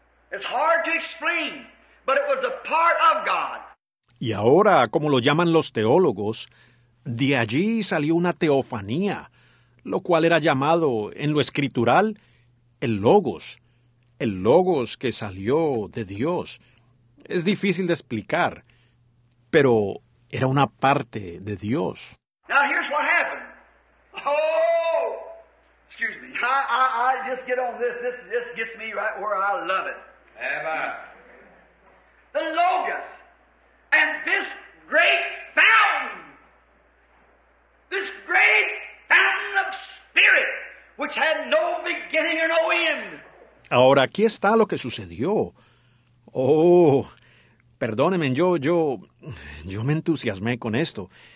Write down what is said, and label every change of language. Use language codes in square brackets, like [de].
[en] It's hard to explain, but it was a part of God. [es] Y ahora, como lo llaman los teólogos, de allí salió una teofanía, lo cual era llamado en lo escritural el Logos que salió de Dios. Es difícil de explicar, pero era una parte de Dios. [en] Now here's what happened. Oh, excuse me. I just get on this. This gets me right where I love it. Amen. The Logos and this great fountain, this great fountain of spirit, which had no beginning or no end. [es] Ahora aquí está lo que sucedió. Oh, perdónenme, yo me entusiasmé con esto.